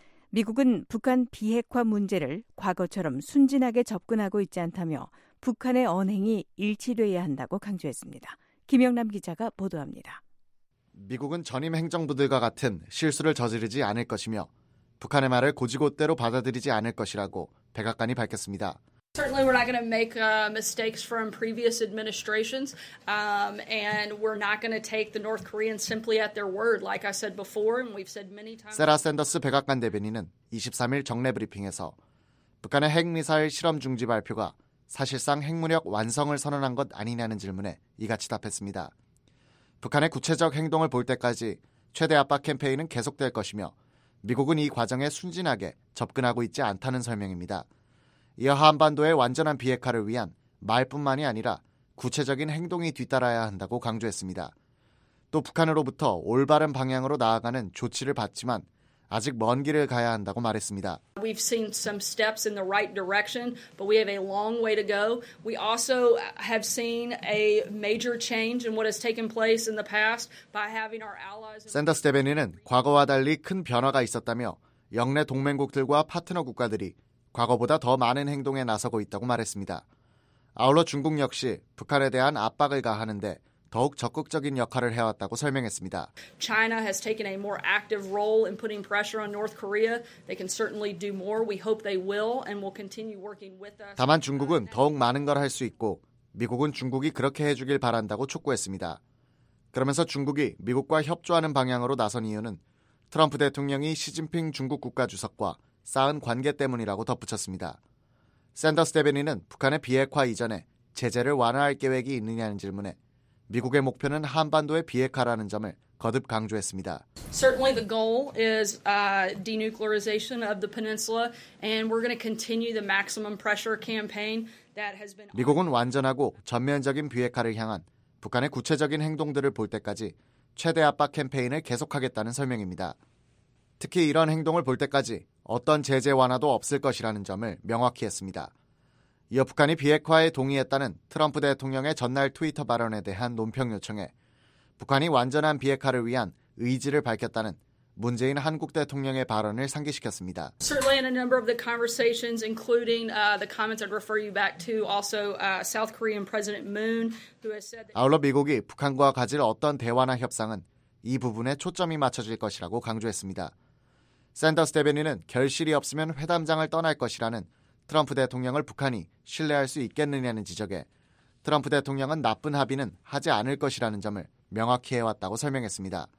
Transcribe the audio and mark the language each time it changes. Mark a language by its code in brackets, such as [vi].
[ko] 미국은 북한 비핵화 문제를 과거처럼 순진하게 접근하고 있지 않다며 북한의 언행이 일치돼야 한다고 강조했습니다. 김영남 기자가 보도합니다. 미국은 전임 행정부들과 같은 실수를 저지르지 않을 것이며 북한의 말을 곧이곧대로 받아들이지 않을 것이라고 백악관이 밝혔습니다. [en] Certainly we're not going to make mistakes from previous administrations and we're not going to take the North Koreans simply at their word like I said before and we've said many times. [ko] 세라 샌더스 백악관 대변인은 23일 정례 브리핑에서 북한의 핵 미사일 실험 중지 발표가 사실상 핵무력 완성을 선언한 것 아니냐는 질문에 이같이 답했습니다. 북한의 구체적 행동을 볼 때까지 최대 압박 캠페인은 계속될 것이며 미국은 이 과정에 순진하게 접근하고 있지 않다는 설명입니다. 이어 한반도의 완전한 비핵화를 위한 말뿐만이 아니라 구체적인 행동이 뒤따라야 한다고 강조했습니다. 또 북한으로부터 올바른 방향으로 나아가는 조치를 받지만 아직 먼 길을 가야 한다고 말했습니다. [en] We've seen some steps in the right direction, but we have a long way to go. We also have seen a major change in what has taken place in the past by having our allies. [ko] 샌더스 대변인은 과거와 달리 큰 변화가 있었다며 영내 동맹국들과 파트너 국가들이 과거보다 더 많은 행동에 나서고 있다고 말했습니다. 아울러 중국 역시 북한에 대한 압박을 가하는데 더욱 적극적인 역할을 해왔다고 설명했습니다. [en] China has taken a more active role in putting pressure on North Korea. They can certainly do more. We hope they will and will continue working with us. [ko] 다만 중국은 더욱 많은 걸 할 수 있고 미국은 중국이 그렇게 해주길 바란다고 촉구했습니다. 그러면서 중국이 미국과 협조하는 방향으로 나선 이유는 트럼프 대통령이 시진핑 중국 국가주석과 쌓은 관계 때문이라고 덧붙였습니다. 샌더스 대변인은 북한의 비핵화 이전에 제재를 완화할 계획이 있느냐는 질문에 미국의 목표는 한반도의 비핵화라는 점을 거듭 강조했습니다. [en] Certainly the goal is denuclearization of the peninsula and we're going to continue the maximum pressure campaign that has been [ko] 미국은 완전하고 전면적인 비핵화를 향한 북한의 구체적인 행동들을 볼 때까지 최대 압박 캠페인을 계속하겠다는 설명입니다. 특히 이런 행동을 볼 때까지 어떤 제재 완화도 없을 것이라는 점을 명확히 했습니다. 이어 북한이 비핵화에 동의했다는 트럼프 대통령의 전날 트위터 발언에 대한 논평 요청에 북한이 완전한 비핵화를 위한 의지를 밝혔다는 문재인 한국 대통령의 발언을 상기시켰습니다. [en] Certainly in a number of the conversations, including the comments I'd refer you back to, also South Korean President Moon, who has said that [ko] 아울러 미국이 북한과 가질 어떤 대화나 협상은 이 부분에 초점이 맞춰질 것이라고 강조했습니다. 샌더스 대변인은 결실이 없으면 회담장을 떠날 것이라는 트럼프 대통령을 북한이 신뢰할 수 있겠느냐는 지적에 트럼프 대통령은 나쁜 합의는 하지 않을 것이라는 점을 명확히 해왔다고 설명했습니다.